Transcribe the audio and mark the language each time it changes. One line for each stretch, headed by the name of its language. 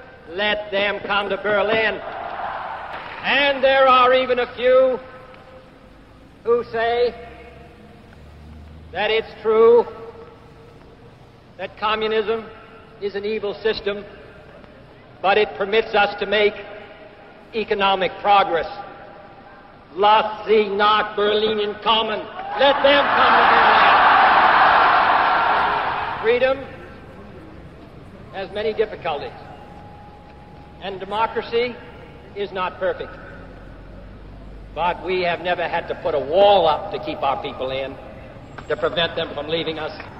English: Let them come to Berlin. And there are even a few who say that it's true that communism is an evil system, but it permits us to make economic progress.
German: Lass sie nach Berlin kommen.
English: Let them come to Berlin. Freedom has many difficulties, and democracy is not perfect. But we have never had to put a wall up to keep our people in, to prevent them from leaving us.